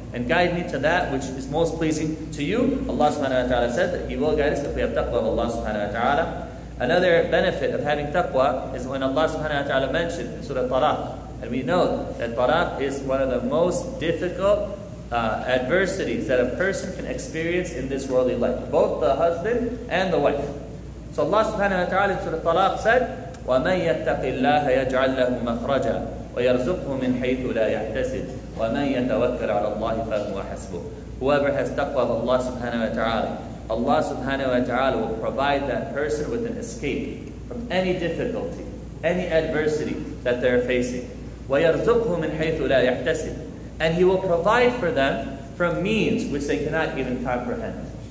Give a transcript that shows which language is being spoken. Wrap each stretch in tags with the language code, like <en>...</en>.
<en>And guide me to that which is most pleasing to You. Allah subhanahu wa ta'ala said that He will guide us if we have taqwa of Allah subhanahu wa ta'ala. Another benefit of having taqwa is when Allah subhanahu wa ta'ala mentioned in Surah Taraq. And we know that taraq is one of the most difficult adversities that a person can experience in this worldly life, both the husband and the wife. So Allah subhanahu wa ta'ala in Surah Taraq said,</en> <ar>وَمَنْ يَتَّقِ اللَّهَ يَجْعَلْ لَهُ مَخْرَجًا وَيَرْزُقْهُ مِنْ حَيْثُ لَا يَحْتَسِبْ وَمَنْ يَتَوَكَّلْ عَلَى اللَّهِ فَهُوَ حَسْبُهُ.</ar> <en>Whoever has taqwa of Allah subhanahu wa ta'ala, Allah subhanahu wa ta'ala will provide that person with an escape from any difficulty, any adversity that they're facing.</en> <ar>وَيَرْزُقْهُ مِنْ حَيْثُ لَا يَحْتَسِبْ.</ar> <en>And He will provide for them from means which they cannot even comprehend.</en>